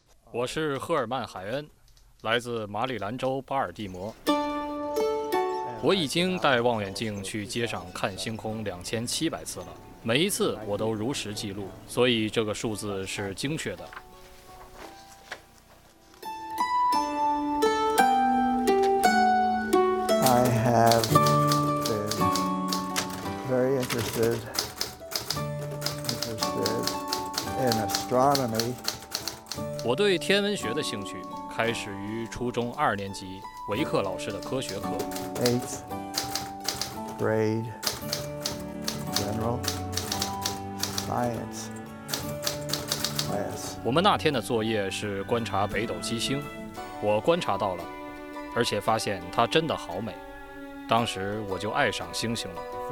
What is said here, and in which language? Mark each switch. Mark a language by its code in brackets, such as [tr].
[zh] 我是赫尔曼·海恩，来自马里兰州巴尔的摩。我已经带望远镜去街上看星空2700次了，每一次我都如实记录，所以这个数字是精确的。 [en] I have been very interested, in astronomy. [zh] 我对天文学的兴趣开始于初中二年级维克老师的科学课。 [en] Eighth grade general. Science. [zh] 我们那天的作业是观察北斗七星，我观察到了，而且发现它真的好美，当时我就爱上星星了。